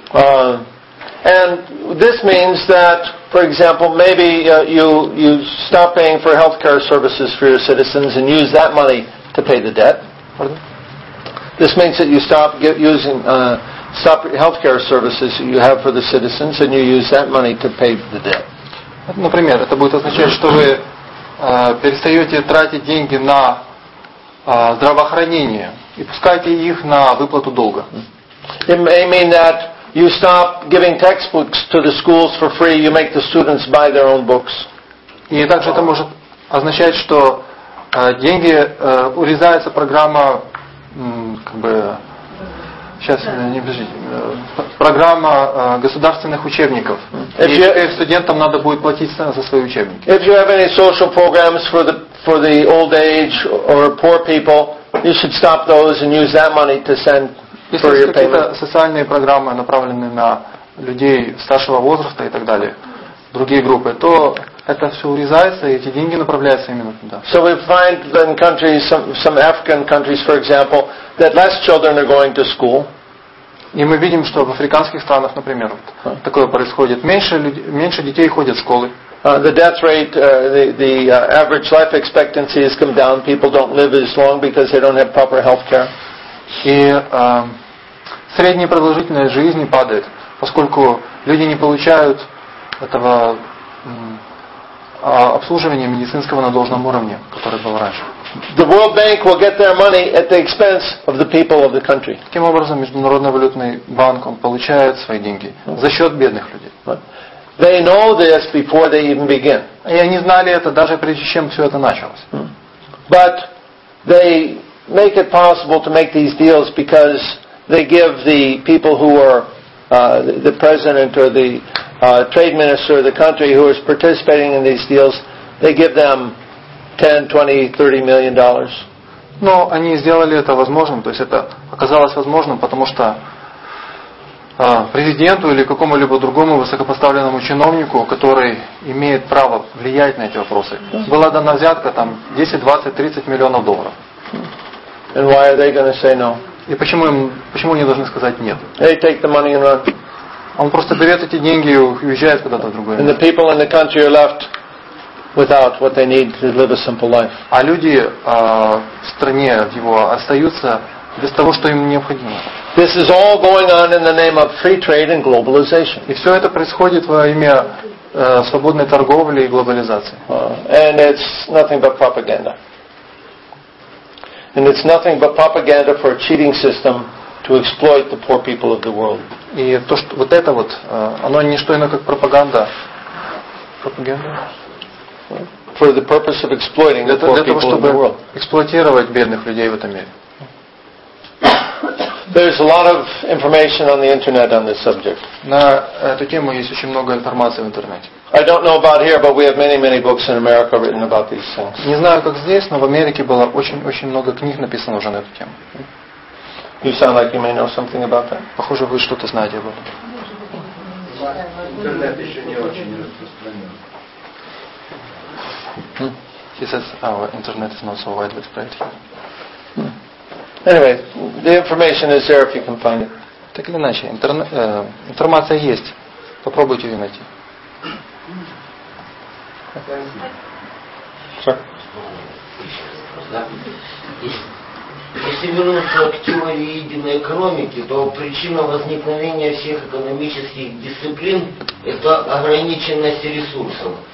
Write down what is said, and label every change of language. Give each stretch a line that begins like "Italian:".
English: And this means that, for example, maybe you stop paying for healthcare services for your citizens and use that money to pay the debt. Pardon? This means that you stop healthcare services you have for the citizens and you use that money to pay the debt.
Russian: Например, это будет означать, что вы перестаете тратить деньги на здравоохранение и пускаете их на выплату долга.
English: It may mean that you stop giving textbooks to the schools for free. You make the students buy their own books.
Russian: И также это может означать, что деньги урезается программа, как бы сейчас не бежит, программа государственных учебников.
English: If
Russian: студентам надо будет платить за свои учебники.
English: If you have any social programs for the old age or poor people, you should stop those and use that money to send.
Russian: Если есть какие-то социальные программы, направленные на людей старшего возраста и так далее, другие группы, то это все урезается, и эти деньги направляются именно туда.
English: So we find in countries, some African countries, for example, that less children are going to school.
Russian: И мы видим, что в африканских странах, например, вот такое происходит. Меньше детей ходят в школы.
English: The death rate, the average life expectancy has come down. People don't live as long because they don't have proper health care.
Russian: И средняя продолжительность жизни падает, поскольку люди не получают этого обслуживания медицинского на должном уровне, которое было раньше.
English: The World Bank will get their money at the expense of the people of the country.
Russian: Таким образом, Международный валютный банк он получает свои деньги за счет бедных людей.
English: They know this before they even begin.
Russian: И они знали это даже прежде чем все это началось.
English: But they make it possible to make these deals because they give the people who are the president or the trade minister of the country who is participating in these deals, they give them 10, 20, 30 million dollars.
Russian: Но они сделали это возможным, то есть это оказалось возможным, потому что президенту или какому-либо другому высокопоставленному чиновнику, который имеет право влиять на эти вопросы, была дана взятка там 10, 20, 30 миллионов долларов.
English: And why are they going to say no?
Russian: И почему им, почему они должны сказать нет?
English: They take the money and run.
Russian: Он просто берет эти деньги и уезжает куда-то в другое место.
English: And the people in the country are left without what they need to live a simple life.
Russian: А люди в стране его остаются без того, что им необходимо.
English: This is all going on in the name of free trade and globalization.
Russian: И все это происходит во имя свободной торговли и глобализации.
English: And it's nothing but propaganda. And it's nothing but propaganda for a cheating system to exploit the poor people of the world.
Russian: И то, что вот это вот, оно не что иное, как пропаганда. Пропаганда?
English: For the purpose of exploiting the poor people of the world.
Russian: Для того, чтобы эксплуатировать бедных людей в этом мире.
English: There's a lot of information on the internet on this subject.
Russian: На эту тему есть очень много информации в интернете.
English: I don't know about here, but we have many, many books in America written about these things.
Russian: Не знаю, как здесь, но в Америке было очень-очень много книг написано уже на эту тему.
English: You sound like you may know something about that.
Russian: Похоже, вы что-то знаете об этом. Интернет еще не очень распространен.
English: He says our internet is not so widely spread. Anyway, the information is there if you can find it.
Russian: Так или иначе, информация есть. Попробуйте ее найти. Если вернуться к теории единой экономики, то причина возникновения всех экономических дисциплин – это ограниченность ресурсов.